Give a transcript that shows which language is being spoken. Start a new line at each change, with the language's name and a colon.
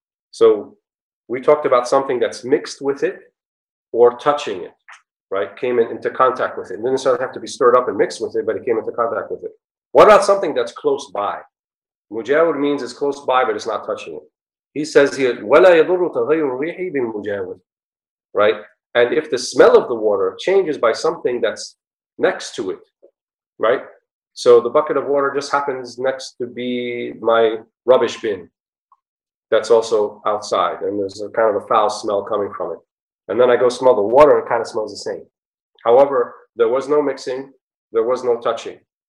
English: So we talked about something that's mixed with it or touching it, right? Came into contact with it. It didn't necessarily have to be stirred up and mixed with it, but it came into contact with it. What about something that's close by? Mujawir means it's close by, but it's not touching it. He says here,
Arabic: وَلَا يَضُرُّ تَغَيُّرُ الرِّيحِ بِالْمُجَاوِرِ.
English: Right? And if the smell of the water changes by something that's next to it, right? So the bucket of water just happens next to be my rubbish bin that's also outside, and there's a kind of a foul smell coming from it. And then I go smell the water, and it kind of smells the same. However, there was no mixing, there was no touching.